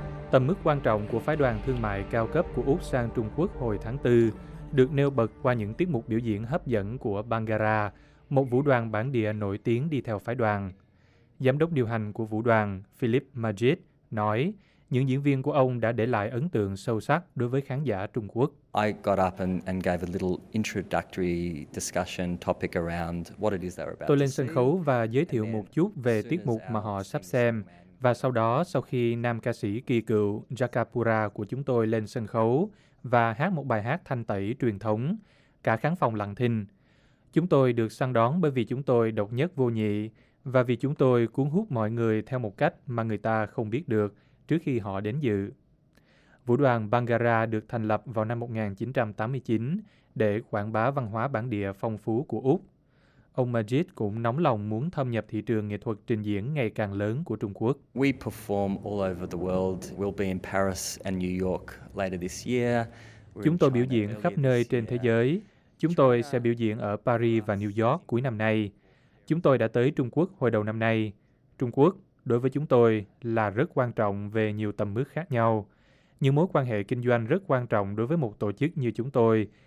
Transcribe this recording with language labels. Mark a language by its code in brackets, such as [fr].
[vi] Tầm mức quan trọng của phái đoàn thương mại cao cấp của Úc sang Trung Quốc hồi tháng 4 được nêu bật qua những tiết mục biểu diễn hấp dẫn của Bhangra, một vũ đoàn bản địa nổi tiếng đi theo phái đoàn. Giám đốc điều hành của vũ đoàn Philip Majid nói những diễn viên của ông đã để lại ấn tượng sâu sắc đối với khán giả Trung Quốc. [en] I got up and gave a little introductory discussion topic around what it is they're about. [vi] Tôi lên sân khấu và giới thiệu một chút về tiết mục mà họ sắp xem. Và sau đó, sau khi nam ca sĩ kỳ cựu Jakapura của chúng tôi lên sân khấu và hát một bài hát thanh tẩy truyền thống, cả khán phòng lặng thinh. Chúng tôi được săn đón bởi vì chúng tôi độc nhất vô nhị và vì chúng tôi cuốn hút mọi người theo một cách mà người ta không biết được trước khi họ đến dự. Vũ đoàn Bhangra được thành lập vào năm 1989 để quảng bá văn hóa bản địa phong phú của Úc. Ông Majid cũng nóng lòng muốn thâm nhập thị trường nghệ thuật trình diễn ngày càng lớn của Trung Quốc. [en] We perform all over the world. We'll be in Paris and New York later this year. [vi] Chúng tôi biểu diễn khắp nơi trên thế giới. Chúng tôi sẽ biểu diễn ở Paris và New York cuối năm nay. Chúng tôi đã tới Trung Quốc hồi đầu năm nay. Trung Quốc, đối với chúng tôi, là rất quan trọng về nhiều tầm mức khác nhau. Những mối quan hệ kinh doanh rất quan trọng đối với một tổ chức như chúng tôi.